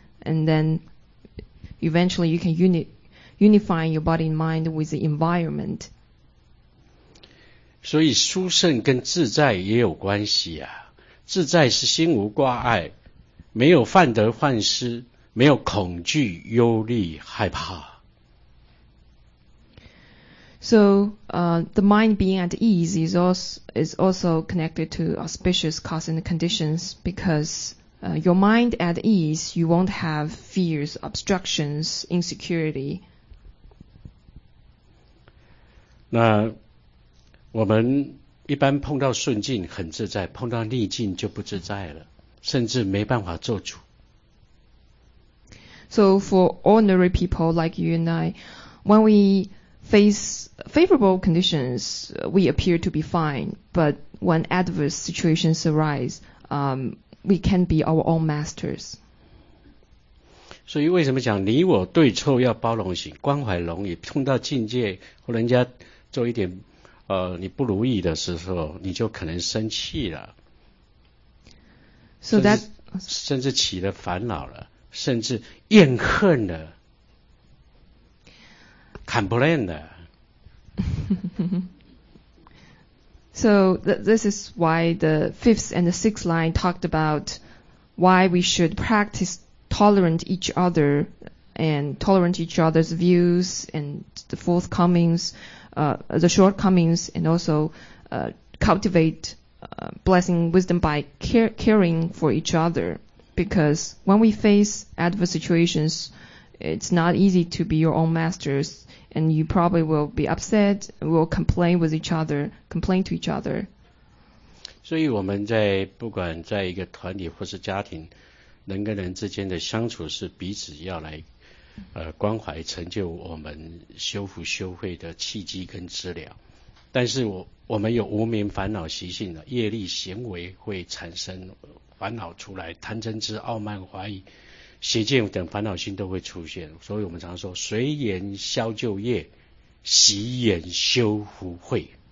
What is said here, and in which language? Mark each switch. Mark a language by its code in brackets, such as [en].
[en] And then eventually you can unify your body and mind with the environment. [zh] 所以殊胜跟自在也有关系啊。自在是心无挂碍，没有患得患失，没有恐惧、忧虑、害怕。 [en] So, the mind being at ease is also connected to auspicious causes and conditions because, your mind at ease, you won't have fears, obstructions, insecurity. [zh] 那我们一般碰到顺境很自在，碰到逆境就不自在了，甚至没办法做主。 [en] So for ordinary people like you and I, when we face favorable conditions, we appear to be fine. But when adverse situations arise, we can be our own masters. [zh] 所以为什么讲你我对错要包容性，关怀容易，碰到境界或人家做一点你不如意的时候，你就可能生气了。 [en] So that [zh] 甚至起了烦恼了，甚至厌恨了 ，complain 了。 [en] So this is why the fifth and the sixth line talked about why we should practice tolerant each other and tolerant each other's views and the forthcomings. The shortcomings and also cultivate blessing wisdom by caring for each other. Because when we face adverse situations, it's not easy to be your own masters, and you probably will be upset, will complain with each other, complain to each other. [zh] 所以我们在不管在一个团体或是家庭，人跟人之间的相处是彼此要来。关怀成就我们修复修慧的契机跟资料，但是我们有无明烦恼习性的业力行为会产生烦恼出来，贪嗔痴、傲慢、怀疑、邪见等烦恼心都会出现，所以我们常说随缘消旧业，习缘修福慧。